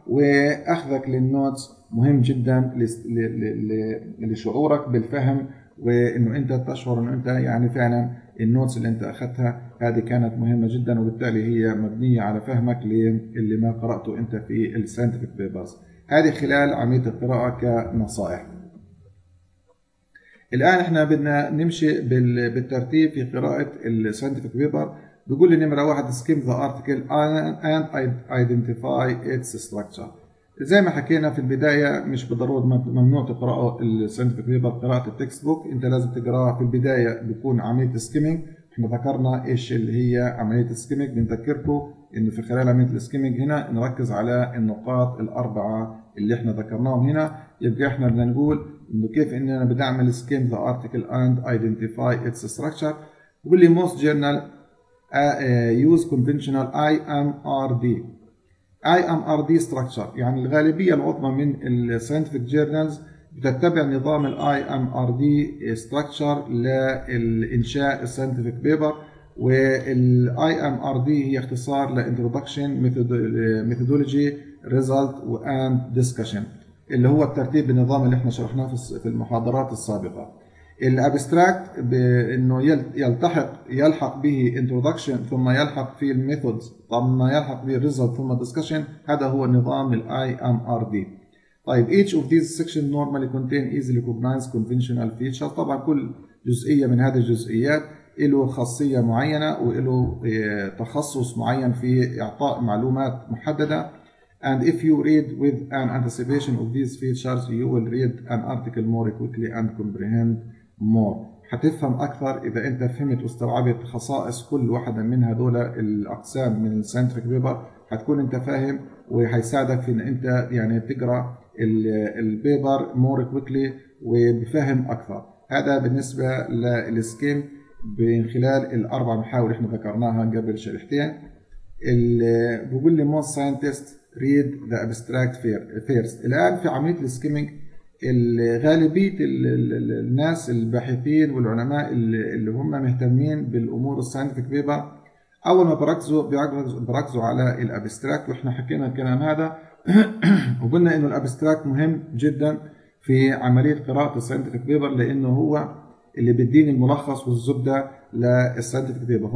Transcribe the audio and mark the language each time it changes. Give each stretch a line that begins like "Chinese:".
Arabic: وأخذك للنوتس مهم جدا لشعورك بالفهم، وأنه أنت تشعر أنه أنت يعني فعلا النوتس اللي أنت أخذتها هذه كانت مهمة جدا، وبالتالي هي مبنية على فهمك اللي ما قرأته أنت في الساينتفك بيبرز. هذه خلال عملية القراءة كنصائح. الآن إحنا بدنا نمشي بالترتيب في قراءة الساينتفك بيبر. بيقول لي
English: نمرة واحد skim the article and identify its structure.
Arabic: زي ما حكينا في البداية مش بضرورة ممنوع تقرأ الساينتفك بيبر قراءة التكست بوك، انت لازم تقرأها في البداية بيكون عملية skimming. احنا ذكرنا ايش اللي هي عملية skimming، بنذكركم انه في خلال عملية skimming هنا نركز على النقاط الاربعة اللي احنا ذكرناهم هنا. يبقى احنا بدنا نقول انه كيف ان انا بدي اعمل
English: skim the article and identify its structure.
Arabic: بيقول لي
English: most journal use conventional IMRD.
Arabic: IMRD structure يعني الغالبية العظمى من الـ scientific journals بتتبع نظام الـ IMRD structure لإنشاء الـ scientific paper. والـ IMRD هي اختصار لـ
English: introduction, methodology, result and discussion،
Arabic: اللي هو الترتيب بالنظام اللي احنا شرحناه في المحاضرات السابقة. الابستراكت بانه يلحق به انتروداكشن، ثم يلحق فيه الميثودز، ثم يلحق به الريزلت، ثم ديسكشن. هذا هو نظام الاي ام ار دي.
English: طيب each of these sections normally contain easily recognized conventional features.
Arabic: طبعا كل جزئيه من هذه الجزئيات له خاصيه معينه وله تخصص معين في اعطاء معلومات محدده.
English: And if you read with an anticipation of these features you will read an article more quickly and comprehend more.
Arabic: هتفهم اكثر اذا انت فهمت واستوعبت خصائص كل واحده من هذول الاقسام من السنتريك بيبر، هتكون انت فاهم وهيساعدك في ان انت يعني تقرا البيبر
English: more quickly
Arabic: وبفهم اكثر. هذا بالنسبه للسكيم من خلال الاربع محاور احنا ذكرناها قبل شرحتين. بيقول لي
English: most scientists read the abstract first.
Arabic: الان في عمليه السكيمينج الغالبية الناس الباحثين والعلماء اللي هم مهتمين بالأمور الساينتفك بيبر أول ما بركزوا على الأبستراكت، وإحنا حكينا الكلام هذا وقلنا إنه الأبستراكت مهم جدا في عملية قراءة الساينتفك بيبر لأنه هو اللي بيديني الملخص والزبدة للساينتفك بيبر.